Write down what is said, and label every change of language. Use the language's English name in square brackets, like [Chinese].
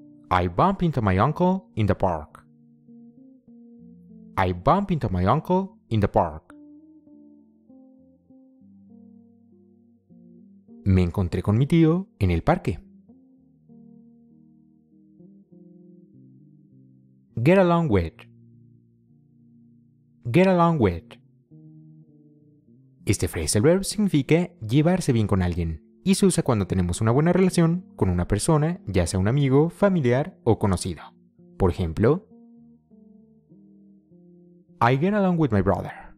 [English] I bump into my uncle in the park. I bump into my uncle in the park. [Spanish] Me encontré con mi tío en el parque. [English] Get along with. Get along with. [Spanish] Este phrasal verb significa llevarse bien con alguien y se usa cuando tenemos una buena relación con una persona, ya sea un amigo, familiar o conocido. Por ejemplo, [English] I get along with my brother.